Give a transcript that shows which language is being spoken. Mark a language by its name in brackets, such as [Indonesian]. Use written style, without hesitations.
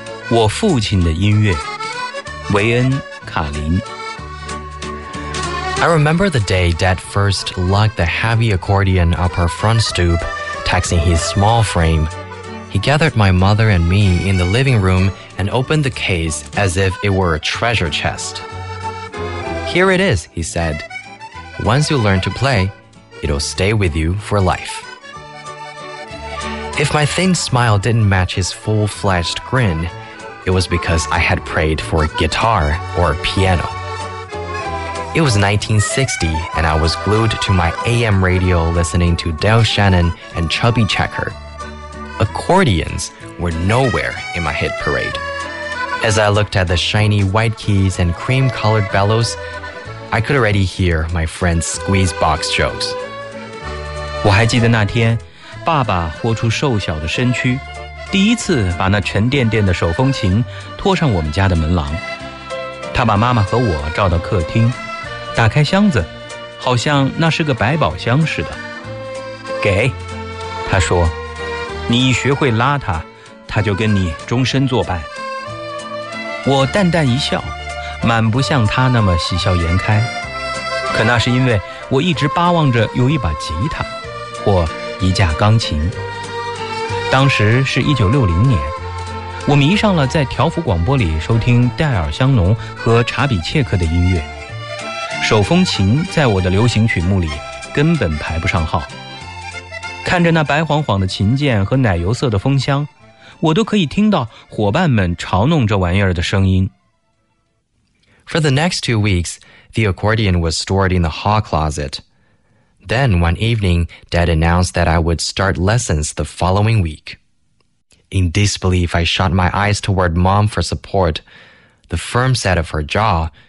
[Chinese] 我父亲的音乐，维恩·卡林。 [English] I remember the day Dad first lugged the heavy accordion up our front stoop, taxing his small frame. He gathered my mother and me in the living room and opened the case as if it were a treasure chest. Here it is, he said. Once you learn to play, it'll stay with you for life. If my thin smile didn't match his full-fledged grin, it was because I had prayed for a guitar or a piano. It was 1960, and I was glued to my AM radio listening to Del Shannon and Chubby Checker. Accordions were nowhere in my hit parade. As I looked at the shiny white keys and cream-colored bellows, I could already hear my friend's squeeze box jokes. [Chinese] 我还记得那天，爸爸豁出瘦小的身躯，第一次把那沉甸甸的手风琴拖上我们家的门廊。他把妈妈和我召到客厅。打开箱子，好像那是个百宝箱似的。给，他说，你一学会拉它，它就跟你终身作伴。我淡淡一笑，满不像他那么喜笑颜开，可那是因为我一直巴望着有一把吉他或一架钢琴。当时是1960年，我迷上了在条幅广播里收听戴尔香农和查比切克的音乐。手风琴在我的流行曲目里根本排不上号。看着那白晃晃的琴键和奶油色的风箱，我都可以听到伙伴们嘲弄这玩意儿的声音。 [English] For the next 2 weeks, the accordion was stored in the hall closet. Then, one evening, Dad announced that I would start lessons the following week. In disbelief, I shut my eyes toward Mom for support. The firm set of her jaw...